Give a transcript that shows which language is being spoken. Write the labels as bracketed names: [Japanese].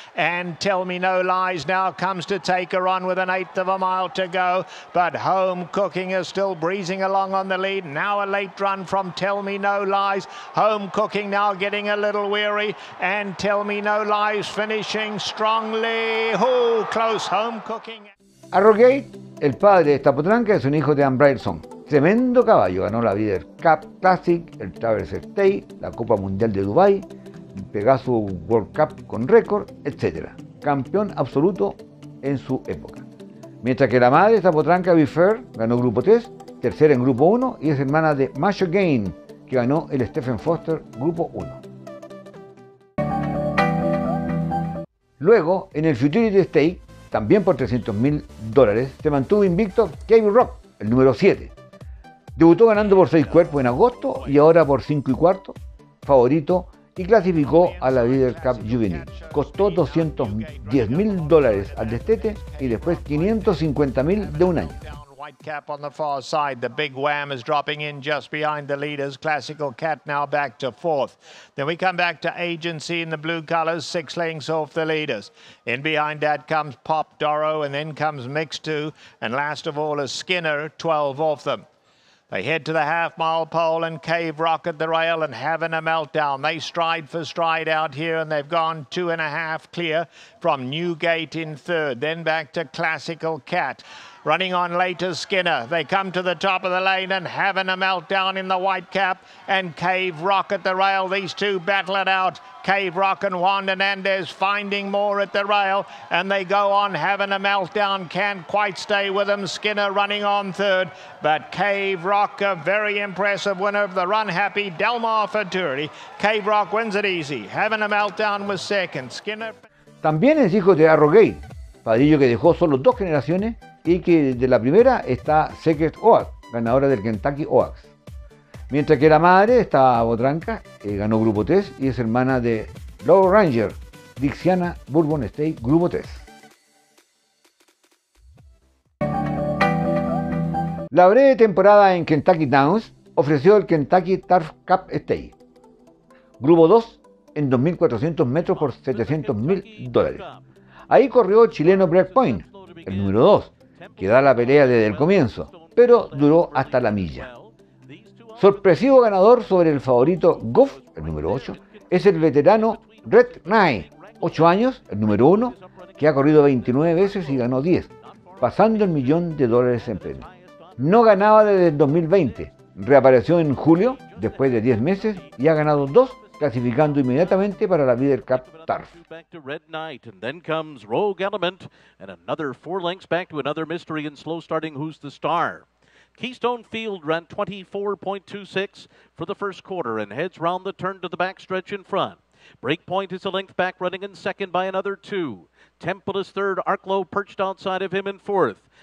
[English] And Tell Me No Lies now comes to take her on with an eighth of a mile to go, but Home Cooking is still breezing along on the lead. Now a late run from Tell Me No Lies. Home Cooking now getting a little weary. And Tell Me No Lies finishing strongly. Oh, close Home Cooking. [Spanish] Arrogate, el padre de esta potranca, es un hijo de Ambrailson. Tremendo caballo, ganó la Breeders' Cup Classic, el Travelers Stake, la Copa Mundial de Dubái, Pegasus World Cup con récord, etc. Campeón absoluto en su época. Mientras que la madre de esta potranca, Be Fair, ganó Grupo 3, tercera en Grupo 1, y es hermana de Macho Gain, que ganó el Stephen Foster Grupo 1. Luego, en el Futurity Stake, también por $300,000, se mantuvo invicto Cave Rock, el número 7. Debutó ganando por 6 cuerpos en agosto y ahora por 5 y cuarto, favorito, y clasificó a la Breeders' Cup Juvenil. Costó $210,000 al destete y después $550,000 de 1 año. [English] White cap on the far side. The big wham is dropping in just behind the leaders. Classical cat now back to fourth. Then we come back to agency in the blue colors, 6 lengths off the leaders. In behind that comes Pop Doro, and then comes Mix 2, and last of all is Skinner, 12 off them. They head to the half-mile pole and Cave Rock at the rail and having a meltdown. They stride for stride out here and they've gone 2.5 clear from Newgate in third. Then back to Classical Cat. Running on later, Skinner. They come to the top of the lane and having a meltdown in the white cap and Cave Rock at the rail. These two battle it out. Cave Rock and Juan Hernandez finding more at the rail and they go on having a meltdown. Can't quite stay with them. Skinner running on third, but Cave Rock, a very impressive winner of the run happy Del Mar Futurity. Cave Rock wins it easy. Having a meltdown was second. Skinner. [Spanish] También es hijo de Arrogate, padrillo que dejó solo 2 generaciones. Y que de la primera está Secret Oaks, ganadora del Kentucky Oaks. Mientras que la madre está Botranca, ganó Grupo 3 y es hermana de Low Ranger, Dixiana Bourbon State Grupo 3. La breve temporada en Kentucky Downs ofreció el Kentucky Turf Cup State. Grupo 2 en 2.400 metros por $700,000. Ahí corrió el chileno Brad Point, el número 2. Que da la pelea desde el comienzo, pero duró hasta la milla. Sorpresivo ganador sobre el favorito Goff, el número 8, es el veterano Red Knight, 8 años, el número 1, que ha corrido 29 veces y ganó 10, pasando el millón de dólares en premio. No ganaba desde el 2020, reapareció en julio, después de 10 meses, y ha ganado 2, clasificando inmediatamente para la Breeders' Cup Turf. [English] Back to Red Knight, and then comes Rogue Element, and another 4 lengths back to another mystery and slow starting Who's the Star. Keystone Field ran 24.26 for the first quarter and heads round the turn to the back stretch in front. Breakpoint is a length back running in second by another 2. Temple is third, Arklow perched outside of him in fourth.